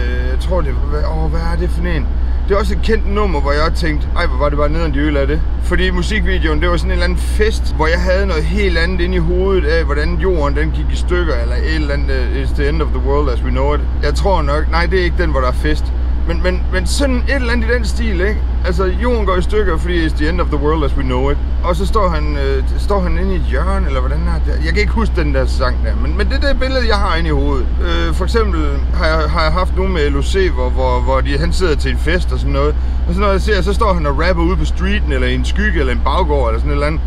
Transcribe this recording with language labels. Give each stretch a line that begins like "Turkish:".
Danish: Jeg tror, hvad er det for en? Det er også et kendt nummer, hvor jeg tænkte, ej, hvor var det bare nederen de øl af det. Fordi musikvideoen, det var sådan en eller anden fest, hvor jeg havde noget helt andet inde i hovedet af, hvordan jorden den gik i stykker, eller et eller andet,
English: it's the end of the world as we know it.
Danish: Jeg tror nok, nej, det er ikke den, hvor der er fest. Men sådan et eller andet i den stil, ikke? Altså, jorden går i stykker, fordi
English: it's the end of the world as we know it.
Danish: Og så står han inde i et hjørne, eller hvordan er det? Jeg kan ikke huske den der sang der, men det er det billede, jeg har inde i hovedet. For eksempel har jeg haft nogen med LOC, hvor han sidder til en fest og sådan noget. Og så når jeg ser, så står han og rapper ude på streeten, eller i en skygge, eller en baggård, eller sådan et eller andet.